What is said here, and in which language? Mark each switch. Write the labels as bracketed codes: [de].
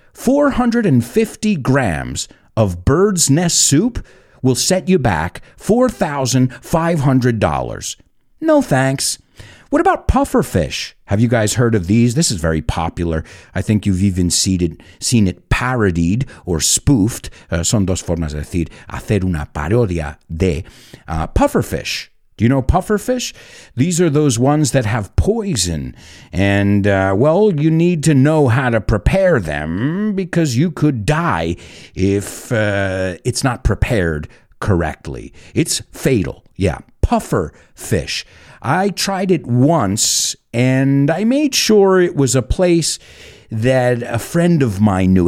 [en] 450 grams of bird's nest soup will set you back $4,500. No thanks. What about puffer fish? Have you guys heard of these? This is very popular. I think you've even seen it parodied or spoofed. [es] Son dos formas de decir hacer una parodia de puffer fish. [en] Do you know puffer fish? These are those ones that have poison. And, well, you need to know how to prepare them because you could die if it's not prepared correctly. It's fatal. Yeah, puffer fish. I tried it once, and I made sure it was a place that a friend of mine knew.